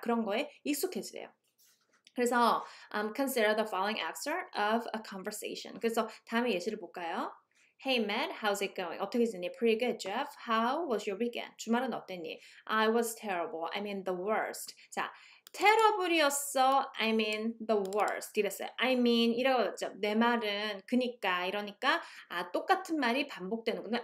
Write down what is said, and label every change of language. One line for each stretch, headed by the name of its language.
Korean: 그런 거에 익숙해지래요.
English: 그래서 consider the following excerpt of a conversation.
Korean: 그래서 다음에 예시를 볼까요?
English: Hey Matt, how's it going?
Korean: 어떻게 지내?
English: Pretty good, Jeff. How was your weekend?
Korean: 주말은 어땠니?
English: I was terrible. I mean the worst. 자, terrible이었어. I mean the worst
Korean: 이랬어요.
English: I mean
Korean: 이라고 했죠. 내 말은 그니까 이러니까 아 똑같은 말이 반복되는구나.